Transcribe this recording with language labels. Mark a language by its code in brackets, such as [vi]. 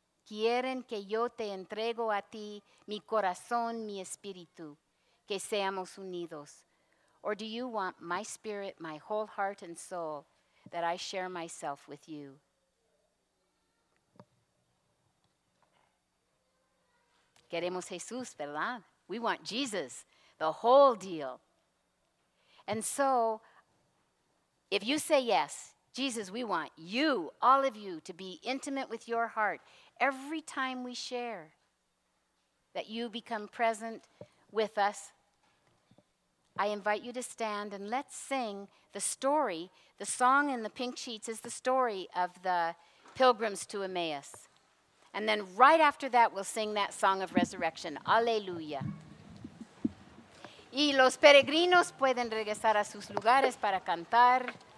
[es] ¿Quieren que yo te entrego a ti mi corazón, mi espíritu, que seamos unidos? [en] Or do you want my spirit, my whole heart and soul, that I share myself with you? [es] Queremos Jesús, ¿verdad? [en] We want Jesus, the whole deal. And so, if you say yes, Jesus, we want you, all of you, to be intimate with your heart every time we share, that you become present with us, I invite you to stand and let's sing the story. The song in the pink sheets is the story of the pilgrims to Emmaus. And then right after that, we'll sing that song of resurrection. [es] Aleluya. Y los peregrinos pueden regresar a sus lugares para cantar.